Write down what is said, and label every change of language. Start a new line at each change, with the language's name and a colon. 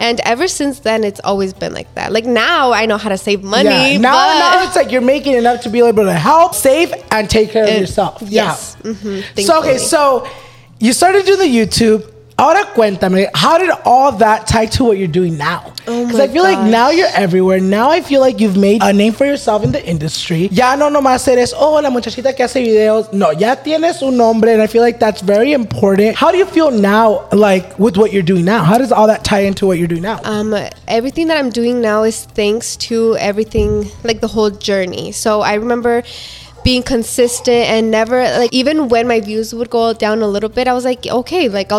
English: And ever since then, it's always been like that. Like, now I know how to save money. Yeah. Now it's like you're making enough to be able to help, save, and take care of yourself. Yes. Yeah. Mm-hmm. So, okay, so you started doing the YouTube.
Spanish: Ahora cuéntame,
English: how did all that tie to what you're doing now? Because like now you're everywhere. Now I feel like you've made a name for yourself in the industry.
Spanish: Ya no nomás eres, oh, la muchachita que hace videos. No, ya tienes un nombre,
English: and I feel like that's very important. How do you feel now, like, with what you're doing now? How does all that tie into what you're doing now? Everything that I'm doing now is thanks to everything, like, the whole journey. So I remember being consistent and never, like, even when my views would go down a little bit, I was like, okay, like, I'll,